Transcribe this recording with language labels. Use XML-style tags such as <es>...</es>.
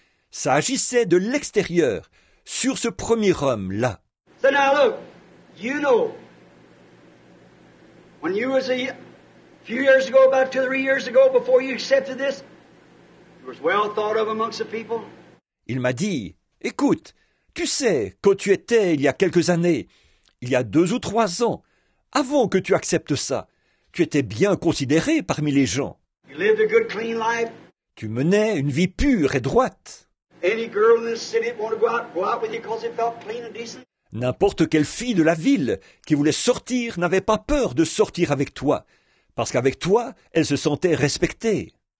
<fr>Ça agissait de l'extérieur sur ce premier homme là.</fr> <en>So now look, you know. When you was a few years ago, about 2 or 3 years ago, before you accepted this, you was well thought of amongst the people.</en> <fr>Il m'a dit, écoute, tu sais, quand tu étais il y a quelques années, il y a 2 ou 3 ans, avant que tu acceptes ça, tu étais bien considéré parmi les gens.</fr> <en>You lived a good, clean life.</en> <fr>Tu menais une vie pure et droite.</fr> <en>Any girl in this city want to go out with you because it felt clean and decent?</en> <fr>N'importe quelle fille de la ville qui voulait sortir n'avait pas peur de sortir avec toi, parce qu'avec toi, elle se sentait respectée.</fr>